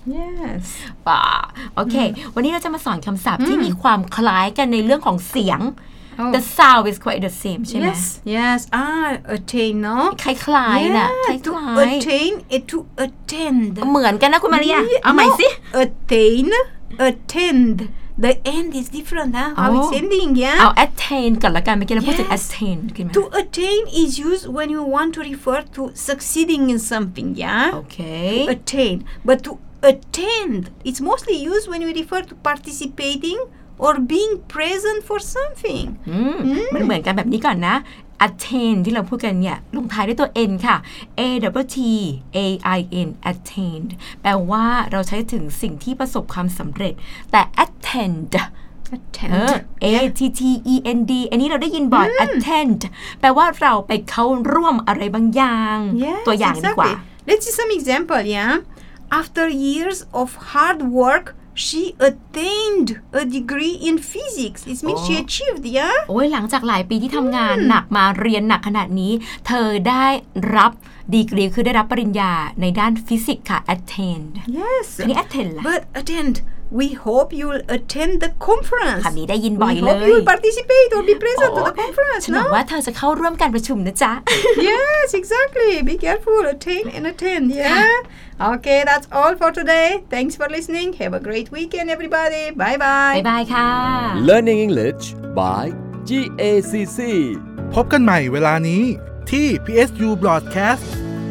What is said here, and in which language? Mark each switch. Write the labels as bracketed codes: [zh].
[en] yes [th] ป่าโอเควันนี้เราจะมาสอนคำศัพท์ที่มีความคล้ายกันในเรื่องของเสียง oh. [en] the sound is quite the same [th] ใช่ไหม [en] yes yes attain เน า ะ [th] คล้ายๆนะ คล้ายๆ [en] attain is to attend [th] เหมือนกันนะคุณมาริยาเอาใหม่สิ [en] attain attendThe end is different, huh? Oh. How it's ending, yeah? Oh, attain. [th] ก่อนละกันเมื่อกี้เราพูดถึง attain. [en] To attain is used when you want to refer to succeeding in something, yeah? Okay. To attain. But to attend, it's mostly used when you refer to participating or being present for something. [th] มันเหมือนกันแบบนี้ก่อนนะ Attain ที่เราพูดกันเนี่ยลงท้ายด้วยตัว N ค่ะ A-T-T-A-I-N Attained แปลว่าเราใช้ถึงสิ่งที่ประสบความสำเร็จแต่attend attend อันนี้เราได้ยินบ่อย attend แปลว่าเราไปเข้าร่วมอะไรบางอย่าง [en] yes, [th] ตัวอย่าง ดี กว่า [en] Let's see some example yeah after years of hard workShe attained a degree in physics. It means she achieved, yeah? [th] โอ้ยหลังจากหลายปีที่ทำงานหนักมาเรียนหนักขนาดนี้เธอได้รับดีกรีคือได้รับปริญญาในด้านฟิสิกส์ค่ะ attained. [en] Yes. [th] อันนี้ attained ล่ะ [en] But attend. We hope you'll attend the conference. [th] คำนี้ได้ยินบ่อยเลย [en] We hope you'll participate or be present to the conference. [th] ฉันหวังว่าเธอจะเข้าร่วมการประชุมนะจ๊ะ [en] Yes, exactly. Be careful. Attain and attend, yeah? Okay, that's all for today. Thanks for listening. Have a great weekend, everybody. Bye-bye. Bye-bye, ค่ะ Learning English by GACC. [th] พบกันใหม่เวลานี้ที่ PSU Broadcast.